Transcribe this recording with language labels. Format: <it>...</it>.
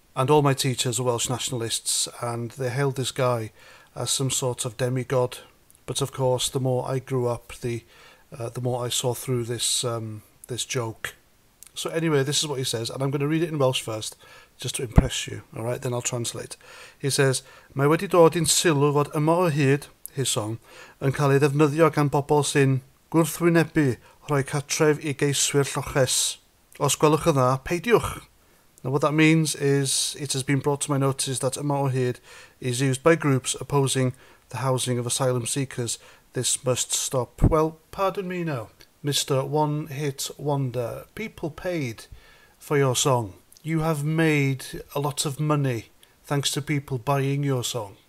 <en>And all my teachers are Welsh nationalists, and they hailed this guy as some sort of demigod. But of course, the more I grew up, the more I saw through this joke. So anyway, this is what he says, and I'm going to read it in Welsh first, just to impress you, all right? Then I'll translate. He says,</en> <cy>Mae wedi dod i'n sylw fod yma o hyd,</cy> <en>his song,</en> <cy>yn cael ei ddefnyddio gan bobl sy'n gwrthwynebu rhoi catref i geiswyr lloches. Os gwelwch yn dda, peidiwch.</cy> <en>Now what that means is, it has been brought to my notice that yma o hyd is used by groups opposing the housing of asylum seekers. This must stop. Well, pardon me now, Mr. One Hit Wonder. People paid for your song. You have made a lot of money thanks to people buying your song.</en>